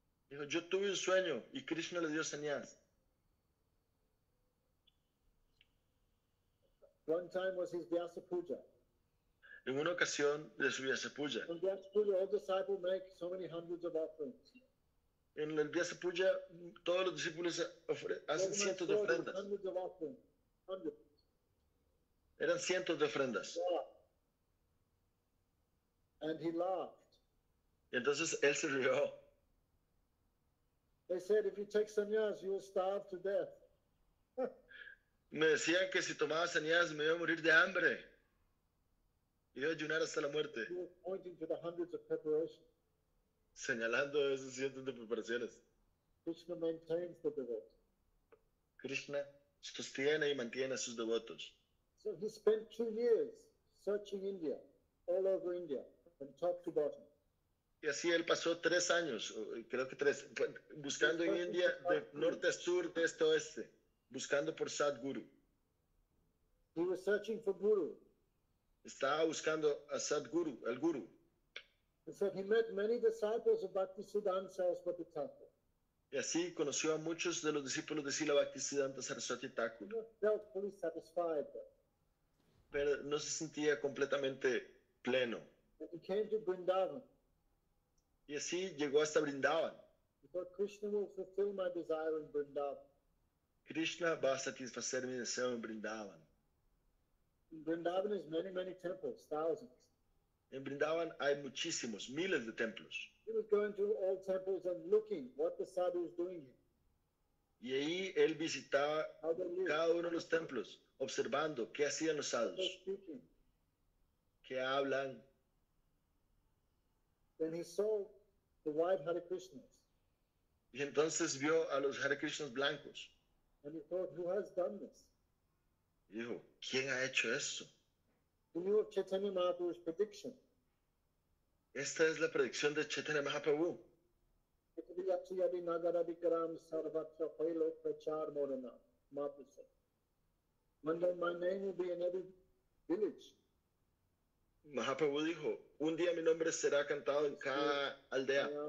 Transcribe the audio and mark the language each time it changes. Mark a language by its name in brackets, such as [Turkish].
[Spanish] Dijo, yo tuve un sueño y Krishna le dio señas. [English] One time was his Vyasa Puja. [Spanish] En una ocasión de su Vyasa Puja. [English] In Vyasa Puja, all disciples make so many hundreds of offerings. [Spanish] En el Vyasa Puja, todos los discípulos hacen cientos de ofrendas. [English] Hundreds of offerings. Hundreds. [Spanish] Eran cientos de ofrendas. [English] Yeah. And he laughed. [Spanish] Y entonces él se rió. [English] They said, if you take sannyas, you will starve to death. [Spanish] Me decían que si tomaba sannyas, me iba a morir de hambre. Iba a ayunar hasta la muerte. [English] He was pointing to the hundreds of preparations. [Spanish] Señalando esos cientos de preparaciones. [English] Krishna maintains the devotees. [Spanish] Krishna sostiene y mantiene a sus devotos. [English] So he spent 2 years searching India, all over India, from top to bottom. [Spanish] Y así él pasó 3 años, creo que 3, buscando en India de norte a sur, de este a oeste, buscando por Sadguru. [English] He was searching for Guru. [Spanish] Estaba buscando a Sadguru, el Guru. [English] He said he met many disciples of Bhaktisiddhanta Saraswati Thakur. [Spanish] Y así conoció a muchos de los discípulos de Srila Bhaktisiddhanta Saraswati Thakur. [English] He felt fully satisfied. [Spanish] Pero no se sentía completamente pleno. [English] But he came to Vrindavan. [Spanish] Y así llegó hasta Vrindavan. [English] Because Krishna will fulfill my desire in Vrindavan. [Spanish] Krishna va a satisfacer mi deseo en Vrindavan. [English] In Vrindavan is many, many temples, thousands. [Spanish] En Vrindavan hay muchísimos, miles de templos. [English] He was going to all temples and looking what the sadhu is doing here. [Spanish] Y ahí él visitaba cada uno de los templos, observando qué hacían los sadhus. Qué hablan. [English] Then he saw the white Hare Krishnas. [Spanish] Y entonces vio a los Hare Krishnas blancos. [English] And he thought, who has done this? [Spanish] Y dijo, ¿quién ha hecho esto? [English] He knew of Chaitanya Mahaprabhu's prediction. [Spanish] Esta es la predicción de Chaitanya Mahaprabhu. [Bangla] Yatsi yadi nagara vikram sarvatra phailo prachar morana. [English] Mahaprabhu said. Mandal, my name will be in every village. [Spanish] Mahaprabhu dijo, un día mi nombre será cantado en cada aldea.